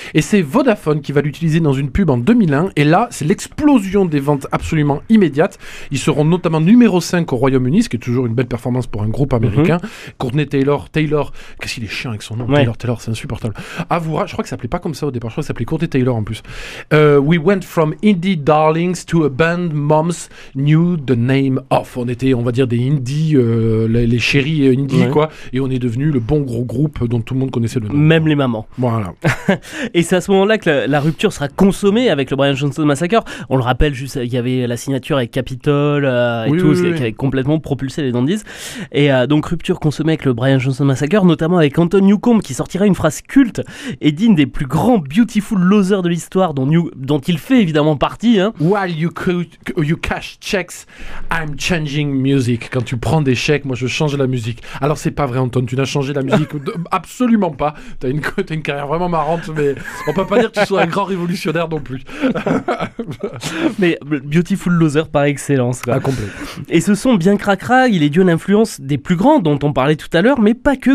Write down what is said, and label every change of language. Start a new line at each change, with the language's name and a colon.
French: Et c'est Vodafone qui va l'utiliser dans une pub en 2001. Et là, c'est l'explosion des ventes absolument immédiate. Ils seront notamment numéro 5 au Royaume-Uni, ce qui est toujours une belle performance pour un groupe américain. Mm-hmm. Courtney Taylor, qu'est-ce qu'il est chiant avec son nom, Taylor, c'est insupportable. Avouera, je crois que ça s'appelait pas comme ça au départ, je crois que ça s'appelait Courtney Taylor en plus.
English: We went from indie darlings to a band moms knew the name of.
French: On était, on va dire, des indie, les chéries indie, quoi, et on est devenu le bon gros groupe dont tout le monde connaissait le nom. Même les mamans. Voilà. Et c'est à ce moment-là que la rupture sera consommée avec le Brian Johnson Massacre. On le rappelle, juste, il y avait la signature avec Capitol, qui avait complètement propulsé les Dandies. Et donc rupture consommée avec le Brian Johnson Massacre, notamment avec Anton Newcombe, qui sortira une phrase culte et digne des plus grands beautiful losers de l'histoire, dont il fait évidemment partie, hein.
English: While you cash checks, I'm changing music.
French: Quand tu prends des chèques, moi je change la musique. Alors c'est pas vrai, Anton, tu n'as changé la musique absolument pas. T'as une carrière vraiment marrante, mais on peut pas dire que tu sois un grand révolutionnaire non plus. Mais beautiful loser par excellence, quoi. Complet. Et ce son bien cracra, il est dû à l'influence des plus grands dont on parlait tout à l'heure, mais pas que.